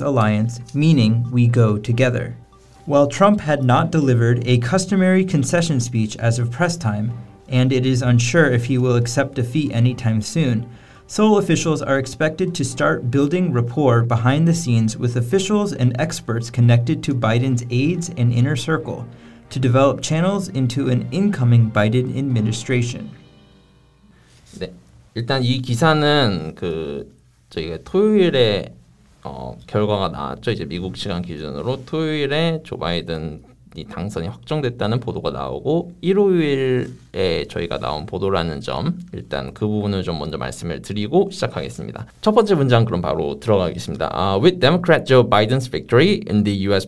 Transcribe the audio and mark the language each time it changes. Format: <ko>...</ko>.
<en>alliance, meaning we go together. While Trump had not delivered a customary concession speech as of press time, and it is unsure if he will accept defeat anytime soon, Seoul officials are expected to start building rapport behind the scenes with officials and experts connected to Biden's aides and inner circle to develop channels into an incoming Biden administration.</en> <ko>네, 일단 이 기사는 그 저희가 토요일에 결과가 나왔죠. 이제 미국 시간 기준으로 토요일에 조 바이든이 당선이 확정됐다는 보도가 나오고 일요일에 저희가 나온 보도라는 점 일단 그 부분을 좀 먼저 말씀을 드리고 시작하겠습니다. 첫 번째 문장 그럼 바로 들어가겠습니다.</ko> <en>With Democrat Joe Biden's victory in the U.S.</en>